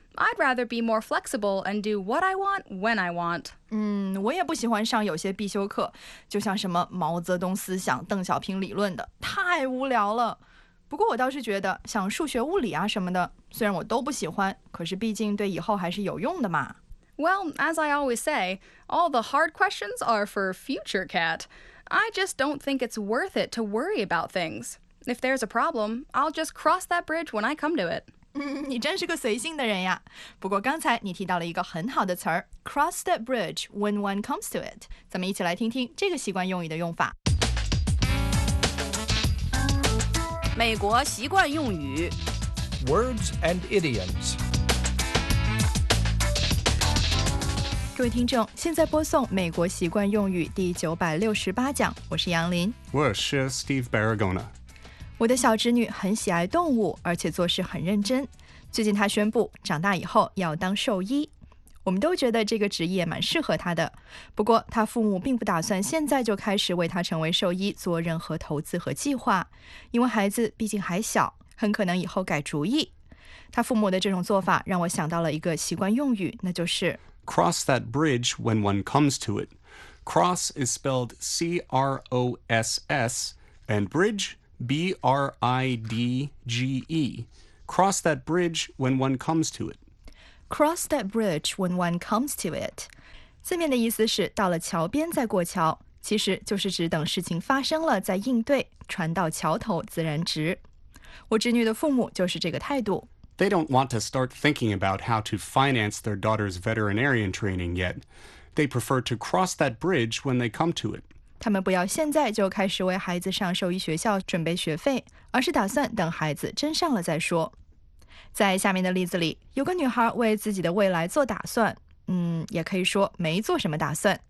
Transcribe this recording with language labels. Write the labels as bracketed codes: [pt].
[en] I'd rather be more flexible and do what I want when I want. [zh] 我也不喜欢上有些必修课，就像什么毛泽东思想、邓小平理论的，太无聊了。不过我倒是觉得，像数学、物理啊什么的，虽然我都不喜欢，可是毕竟对以后还是有用的嘛。 [en] Well, as I always say, all the hard questions are for future Cat. I just don't think it's worth it to worry about things. If there's a problem, I'll just cross that bridge when I come to it. [zh] 你真是个随性的人呀。不过刚才你提到了一个很好的词儿 [en] cross that bridge when one comes to it. [zh] 咱们一起来听听这个习惯用语的用法。美国习惯用语 [en] Words and idioms. [zh] 各位听众，现在播送美国习惯用语第968讲，我是杨林。我是 Steve Barragona。我的小侄女很喜爱动物，而且做事很认真。最近她宣布长大以后要当兽医，我们都觉得这个职业蛮适合她的。不过她父母并不打算现在就开始为她成为兽医做任何投资和计划，因为孩子毕竟还小，很可能以后改主意。她父母的这种做法让我想到了一个习惯用语，那就是 [en] Cross that bridge when one comes to it. Cross is spelled C-R-O-S-S and bridge B-R-I-D-G-E. Cross that bridge when one comes to it. Cross that bridge when one comes to it. [zh] 字面的意思是到了桥边再过桥，其实就是指等事情发生了再应对，船到桥头自然直。我侄女的父母就是这个态度。 [en] They don't want to start thinking about how to finance their daughter's veterinarian training yet. They prefer to cross that bridge when they come to it. [zh] 他们不要现在就开始为孩子上兽医学校准备学费，而是打算等孩子真上了再说。在下面的例子里，有个女孩为自己的未来做打算，也可以说没做什么打算。